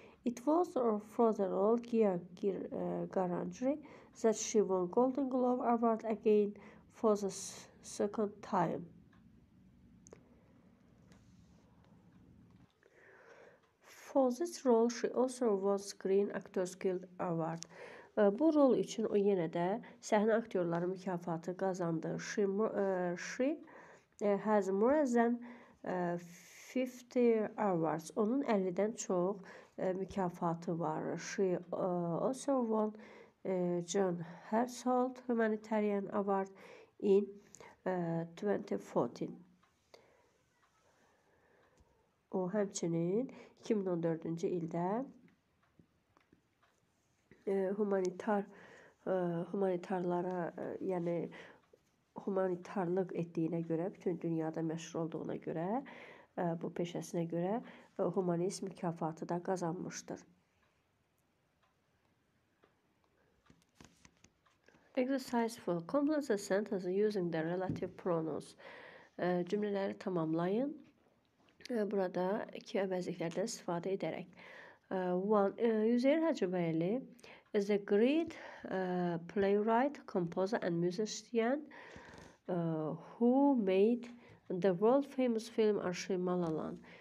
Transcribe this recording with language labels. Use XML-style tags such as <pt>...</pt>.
<en>It was for the role Gear Garangri that she won Golden Globe Award again for the second time. For this role she also won Screen Actors Guild Award.</en> <az>Bu rol için o yenə də səhnə aktyorları mükafatı qazandı.</az> <en>She has more than 50 awards.</en> <az>Onun 50-dən çox mükafatı var.</az> <en>She also won John Herzog Humanitarian Award in 2014.</en> <az>O həmçinin 2014-cü ildə humanitarlara, yəni humanitarlıq etdiyinə görə, bütün dünyada məşhur olduğuna görə, bu peşəsinə görə humanist mükafatı da qazanmışdır.</az> <en>Exercise 4. Complete the sentence using the relative pronouns.</en> <az>Cümlələri tamamlayın. Burada iki əvəzliklərdən istifadə edərək. One, Üzeyir Hacıbəyli</az> <en>is a great playwright, composer, and musician who made the world famous film Arşiv Malalan.</en>